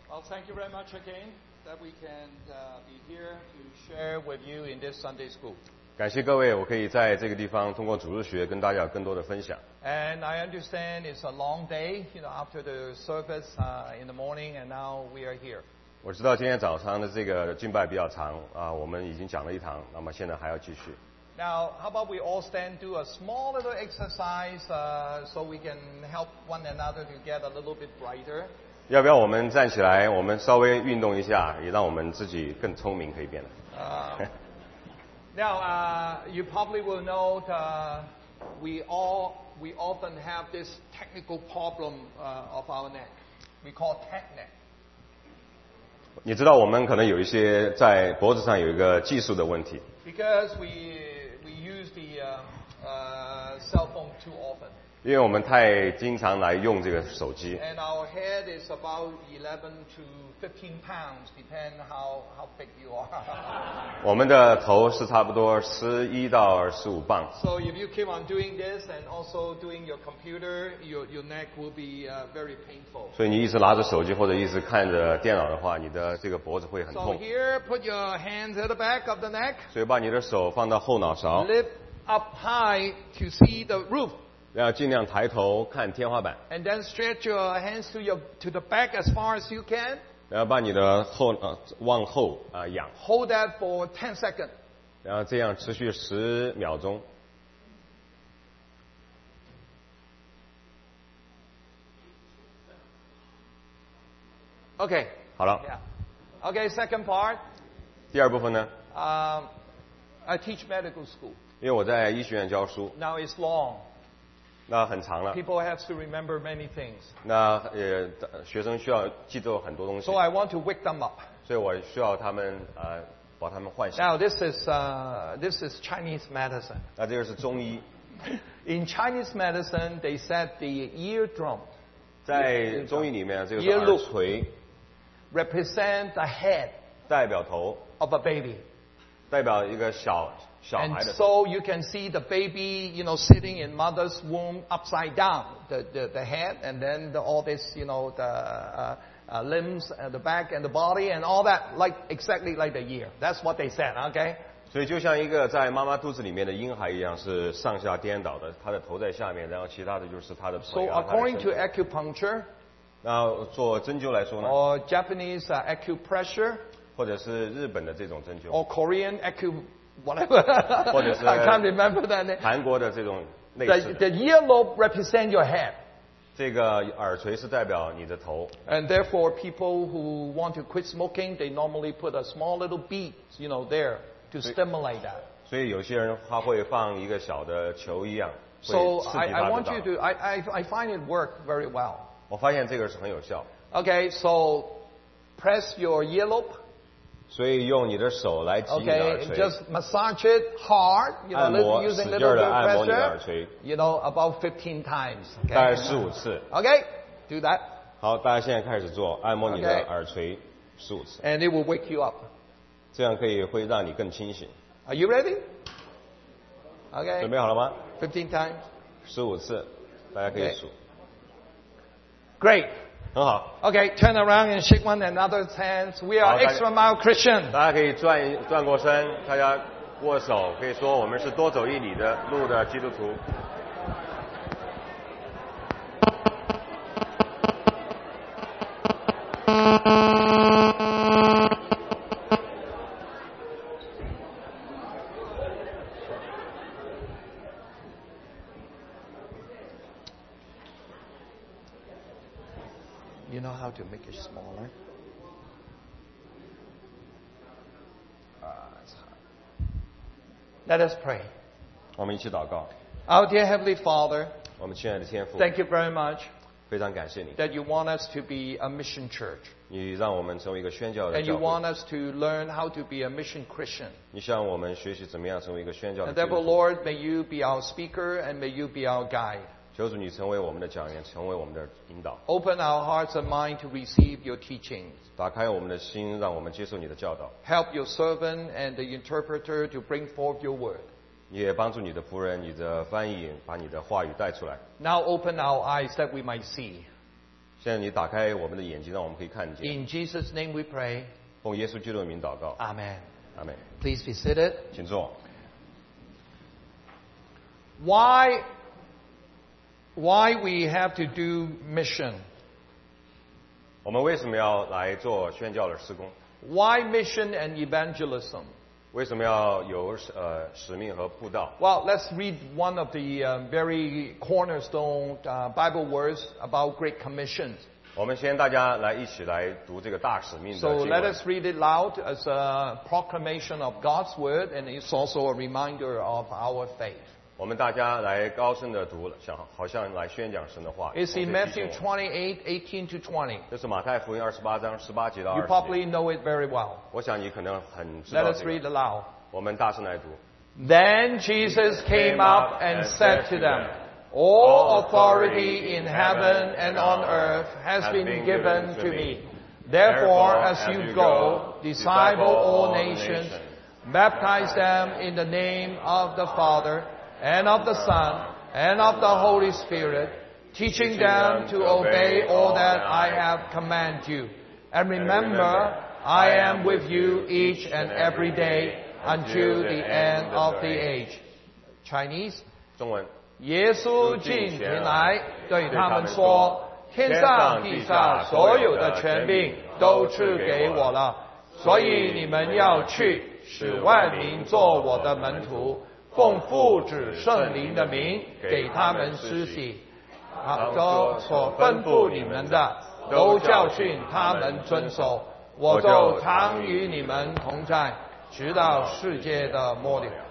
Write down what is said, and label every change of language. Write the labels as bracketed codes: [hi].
[en] Well, thank you very much again that we can be here to share with you in this Sunday school. [zh] 感谢各位，我可以在这个地方通过主日学跟大家更多的分享。 [en] And I understand it's a long day, you know, after the service in the morning, and now we are here. [zh] 我知道今天早上的这个敬拜比较长啊，我们已经讲了一堂，那么现在还要继续。 [en] Now, how about we all stand, do a small little exercise, so we can help one another to get a little bit brighter. [zh] 要不要我们站起来，我们稍微运动一下，也让我们自己更聪明，可以变得。 [en] Now, you probably will know that we often have this technical problem of our neck. We call tech neck. [zh] 你知道我们可能有一些在脖子上有一个技术的问题。 [en] Because we use the cell phone too often. [zh] 因为我们太经常来用这个手机。 [en] And our head is about 11 to 15 pounds, depend how big you are. [zh] 我们的头是差不多11到15磅。 [en] So if you keep on doing this and also doing your computer, your neck will be very painful. [zh] 所以你一直拿着手机或者一直看着电脑的话，你的这个脖子会很痛。 [en] So here, put your hands at the back of the neck. [zh] 所以把你的手放到后脑勺。 [en] Lift up high to see the roof. [zh] 要尽量抬头看天花板。 [en] And then stretch your hands to the back as far as you can. [zh] 然后把你的后往后仰。 [en] Hold that for 10 seconds. [zh] 然后这样持续十秒钟。 [en] Okay. [zh] 好了。 [en] Yeah. Okay, second part. [zh] 第二部分呢？ [en] I teach medical school. [zh] 因为我在医学院教书。 [en] Now it's long. [zh] 那很长了。 [en] People have to remember many things. [zh] 那学生需要记住很多东西。 [en] So I want to wake them up. [zh] 所以我需要他们把他们唤醒。 [en] Now this is Chinese medicine. [zh] 那这个是中医。 [en] In Chinese medicine, they said the ear drum. [zh] 在中医里面，这个耳垂 [en] represent the head. [zh] 代表头。 [en] Of a baby. [zh] 代表一个小。 [en] And so you can see the baby, you know, sitting in mother's womb upside down, the head, and then all this, you know, the limbs and the back and the body and all that, like exactly like the ear. That's what they said, okay? [zh] 所以就像一个在妈妈肚子里面的婴孩一样，是上下颠倒的，他的头在下面，然后其他的就是他的腿。 [en] So according to acupuncture, [zh] 那做针灸来说呢 [en] ？Or Japanese acupressure, [zh] 或者是日本的这种针灸 [en] ？Or Korean acupuncture. Whatever. I can't remember that name. [zh] 韩国的这种类似的。 [en] The earlobe represent your head. [zh] 这个耳垂是代表你的头。 [en] And therefore, people who want to quit smoking, they normally put a small little bead, you know, there to stimulate that. [zh] 所以有些人他会放一个小的球一样。 [en] So I want you to, I find it work very well. [zh] 我发现这个是很有效。 [en] Okay, so press your earlobe. [zh] 所以用你的手来挤你的耳垂。 [en] Okay, just massage it hard, you know, [zh] 按摩 [en] using little bit of pressure, [zh] 使劲的按摩你的耳垂。 [en] You know, about 15 times. Okay? [zh] 大概15次。 [en] Okay, do that. [zh] 好，大家现在开始做，按摩你的耳垂15次。 [en] And it will wake you up. [zh] 这样可以会让你更清醒。 [en] Are you ready? Okay. [zh] 准备好了吗？ [en] 15 times. [zh] 15次，大家可以数。 [en] Okay. Great. [zh] 很好。 [en] Okay, turn around and shake one another's hands. We are extra mile Christian. [zh] 大家可以转过身，大家握手，可以说我们是多走一里的路的基督徒。 [en] To make it smaller. Let us pray. [zh] 我们一起祷告。 [en] Our dear Heavenly Father, [zh] 我们亲爱的天父 [en] thank you very much. [zh] 非常感谢你 [en] that you want us to be a mission church. [zh] 你让我们成为一个宣教的教会 [en] and you want us to learn how to be a mission Christian. [zh] 你向我们学习怎么样成为一个宣教的教会 [en] and therefore, Lord, may you be our speaker and may you be our guide. [zh] 求主你成为我们的讲员，成为我们的引导。 [en] Open our hearts and mind to receive your teachings. [zh] 打开我们的心，让我们接受你的教导。 [en] Help your servant and the interpreter to bring forth your word. [zh] 也帮助你的仆人，你的翻译，把你的话语带出来。 [en] Now open our eyes that we might see. [zh] 现在你打开我们的眼睛，让我们可以看见。 [en] In Jesus' name we pray. [zh] 奉耶稣基督的名祷告。 [en] Amen. Amen. Please be seated. [zh] 请坐。 [en] Why we have to do mission? [zh] 我们为什么要来做宣教的事工？ [en] Why mission and evangelism? [zh] 为什么要有使命和布道？ [en] Well, let's read one of the very cornerstone Bible words about Great Commission. [zh] 我们先大家来一起来读这个大使命的 [en] 经文。So let us read it loud as a proclamation of God's word, and it's also a reminder of our faith. [zh] 我们大家来高声的读，好像来宣讲神的话。 [en] It's in Matthew 28:18-20. [zh] 这是马太福音28:18-20. [en] You probably know it very well. [zh] 我想你可能很知道、这个。 [en] Let us read aloud. 我们大声来读。 Then Jesus came up and said to them, "All authority in heaven and on earth has been given to me. Therefore, as you go, disciple all nations, baptize them in the name of the Father. And of the Son, and of the Holy Spirit, teaching them to obey all that I have commanded you. And remember, I am with you each and every day until the end of the age. Chinese? [zh] 中文。耶稣近前来对他们说，天上地下所有的权柄都赐给我了，所以你们要去，使万民做我的门徒。奉父子圣灵的名给他们施洗，都所吩咐你们的都教训他们遵守，我就常与你们同在，直到世界的末了。